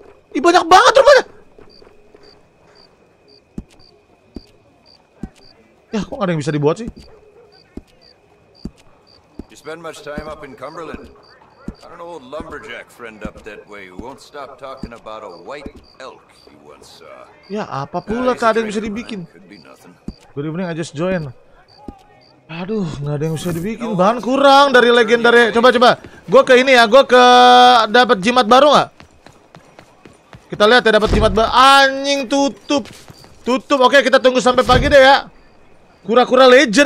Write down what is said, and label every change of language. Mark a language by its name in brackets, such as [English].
[Indonesian] Ih, banyak banget rumahnya. Ya, kok gak ada yang bisa dibuat sih? [English] You spend much time up in Cumberland. I don't know old lumberjack friend up that way who won't stop talking about a white elk he once saw. [Indonesian] Ya, apa pula nah, keadaan bisa dibikin? [English] Good evening, I just join. [Indonesian] Aduh, nggak ada yang bisa dibikin. Bahan kurang dari legendary. Coba-coba. Gue ke ini ya. Gue ke dapat jimat baru nggak? Kita lihat ya dapat jimat baru. Anjing tutup. Tutup. Oke, kita tunggu sampai pagi deh ya. Kura-kura legend.